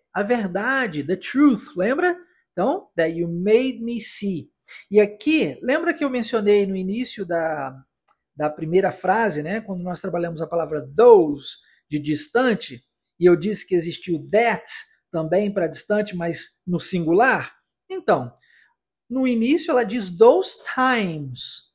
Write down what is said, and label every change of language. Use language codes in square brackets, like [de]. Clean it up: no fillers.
[pt] A verdade, [en] the truth, [pt] lembra? Então, [en] that you made me see. [pt] E aqui, lembra que eu mencionei no início da primeira frase, né? Quando nós trabalhamos a palavra those, de distante, e eu disse que existiu that também para distante, mas no singular? Então, no início ela diz [en] those times.